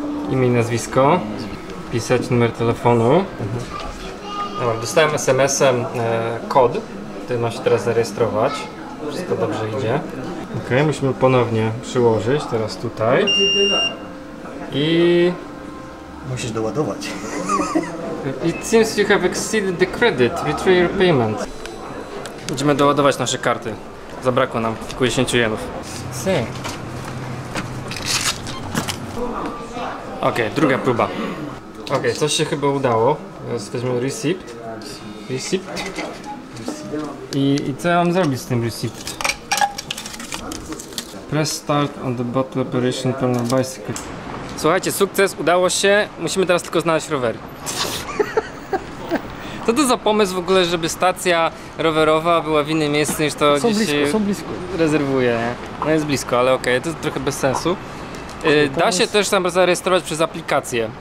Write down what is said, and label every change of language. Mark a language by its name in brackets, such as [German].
[Polish] Imię i nazwisko. Pisać numer telefonu. Dobra, dostałem SMS-em kod, który ma się teraz zarejestrować. Wszystko dobrze idzie. Ok, musimy ponownie przyłożyć teraz tutaj. I... Musisz doładować. [English] It seems you have exceeded the credit. Retry your payment. [Polish] Idziemy doładować nasze karty. Zabrakło nam kilkudziesięciu jenów. Ok, druga próba. Ok, coś się chyba udało. Teraz weźmiemy receipt. Receipt. I co ja mam zrobić z tym receipt? [English] Press start on the bottle operation from the bicycle. [Polish] Słuchajcie, sukces, udało się. Musimy teraz tylko znaleźć rower. Co to za pomysł w ogóle, żeby stacja rowerowa była w innym miejscu niż to, gdzie się rezerwuje? No jest blisko, ale okej, to trochę bez sensu. Da się też tam zarejestrować przez aplikację.